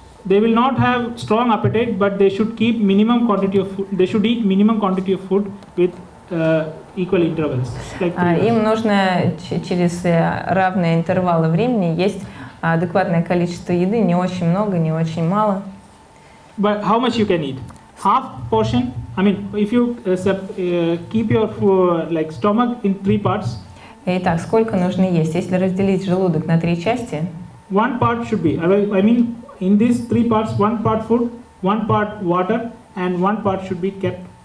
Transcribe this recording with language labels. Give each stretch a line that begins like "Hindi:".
English: They will not have strong appetite, but they should keep minimum quantity of food. They should eat minimum quantity of food with equal intervals.
Russian: Им нужно через равные интервалы времени есть адекватное количество еды, не очень много, не очень мало.
English: But how much you can eat? Half portion? I mean, if you keep your like stomach in three parts.
Russian: Итак, сколько нужно есть, если разделить желудок на три части?
English: One part should be. I mean, in these three parts, one part food, one part water, and one part should be kept.